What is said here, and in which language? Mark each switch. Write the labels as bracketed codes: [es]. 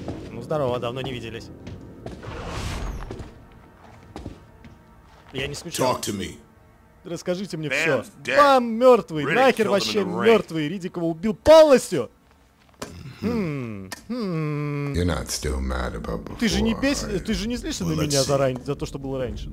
[ru] Ну здорово, давно не виделись. Я не скучаю. [en] Talk to me. [ru] Расскажите мне все. Бам, мертвый. Riddick нахер вообще мертвый. Риддик его убил полностью. [en] You're not still mad about before, [ru] ты же не бесишься, ты же не злишься на меня за то, что было раньше.